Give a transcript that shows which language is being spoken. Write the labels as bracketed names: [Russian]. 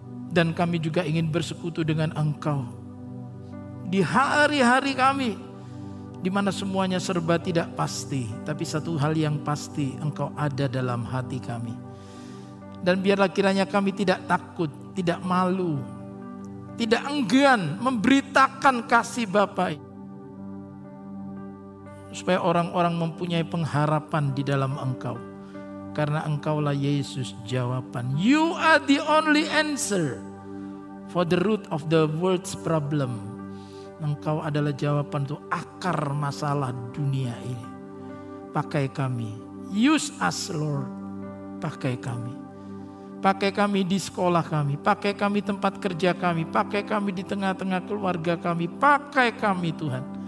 [Indonesian] Dan kami juga ingin bersekutu dengan Engkau. Di hari-hari kami, di mana semuanya serba tidak pasti, tapi satu hal yang pasti, Engkau ada dalam hati kami. Dan biarlah kiranya kami tidak takut, tidak malu, tidak enggan memberitakan kasih Bapa. Supaya orang-orang mempunyai pengharapan di dalam Engkau. Karena Engkaulah Yesus jawaban. [English] You are the only answer for the root of the world's problem. [Indonesian] Engkau adalah jawaban untuk akar masalah dunia ini. Pakai kami. [English] Use us, Lord. [Indonesian] Pakai kami. Pakai kami di sekolah kami. Pakai kami tempat kerja kami. Pakai kami di tengah-tengah keluarga kami. Pakai kami, Tuhan.